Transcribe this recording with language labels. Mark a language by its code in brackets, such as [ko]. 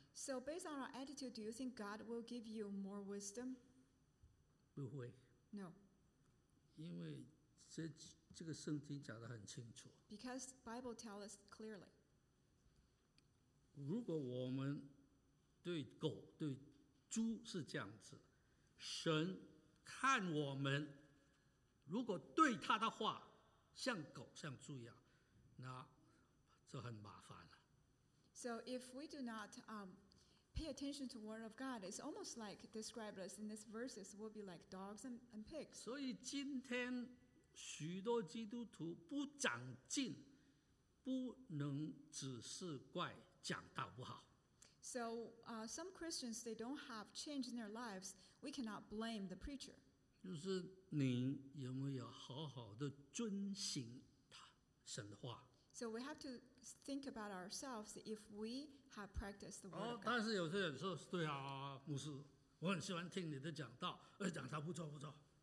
[en] ？So based on our attitude, do you think God will give you more wisdom? [zh] 不会。 [en] No. [zh] 因为这个圣经讲得很清楚。 [en] Because Bible tells us clearly. [zh] 如果我们对狗对猪是这样子，神看我们如果对他的话像狗像猪一样，那这很麻烦了。 [en] So if we do not pay attention to the word of God, it's almost like described us in these verses will be like dogs and pigs. [zh] 所以今天许多基督徒不长进，不能只是怪讲道不好。 [en] So, some Christians, they don't have change in their lives. We cannot blame the preacher. [zh] 就是你有没有好好的遵行神的话。 [en] So we have to think about ourselves if we have practiced the word of God. [zh] 但是有些人说，对啊，牧师，我很喜欢听你的讲道，讲道不错不错。